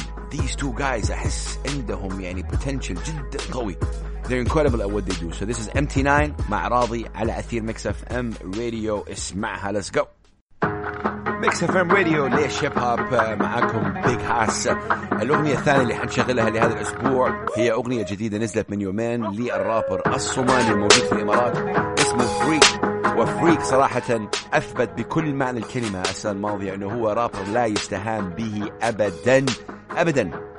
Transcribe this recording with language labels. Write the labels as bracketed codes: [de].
[en] These two guys [ar] أحس عندهم يعني potential جدا قوي. [en] They're incredible at what they do. So this is MT9 [ar] مع راضي على أثير [en] Mix FM Radio. [ar] اسمعها. [en] Let's go. [ar] Mix FM Radio ليش هيب هوب، معاكم Big Hass. الأغنية الثانية اللي حنشغلها لهذا الأسبوع هي أغنية جديدة نزلت من يومين للرابر الصومالي الموجود في الإمارات، اسمه Freak. وفريك صراحة أثبت بكل معنى الكلمة السنة الماضية أنه هو رابر لا يستهان به أبدا أبدا.